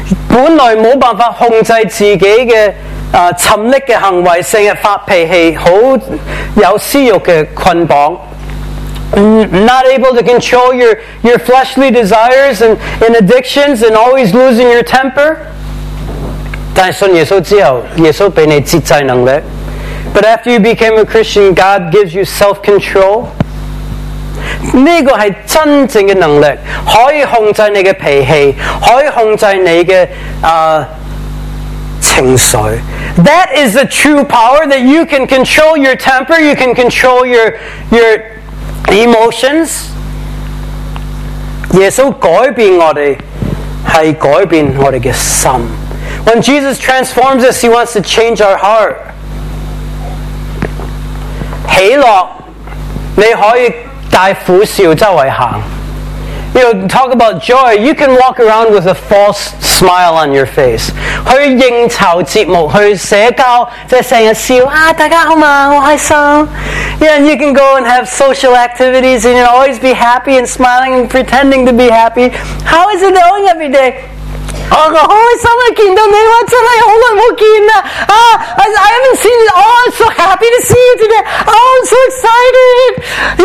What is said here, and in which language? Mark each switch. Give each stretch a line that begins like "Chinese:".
Cantonese: 本来冇办法控制自己嘅沉溺嘅行为，成日发脾气，好有私欲嘅捆绑。
English: Not able to control your fleshly desires and addictions and always losing your temper.
Cantonese: 但信耶稣之后，耶稣俾你节制能力。
English: But after you became a Christian, God gives you self-control.
Cantonese: 呢个系真正嘅能力，可以控制你嘅脾气，可以控制你嘅情绪。
English: That is the true power that you can control your temper. You can control your emotions.
Cantonese: 耶稣改变我们，是改变我们的心。
English: When Jesus transforms us, he wants to change our heart.
Cantonese: 喜乐，你可以带苦笑周围行。
English: You know, talk about joy. You can walk around with a false smile on your face.
Cantonese: 去应酬节目，去社交，即系成日笑啊！大家好嘛，我开心。
English: Yeah, and you can go and have social activities, and you'll always be happy and smiling and pretending to be happy. How is it going every day?
Cantonese: 我开心啊！见到你哇，真系好耐冇见啦！
English: 啊 ，I haven't seen you. Oh, I'm so happy to see you today. Oh, I'm so excited.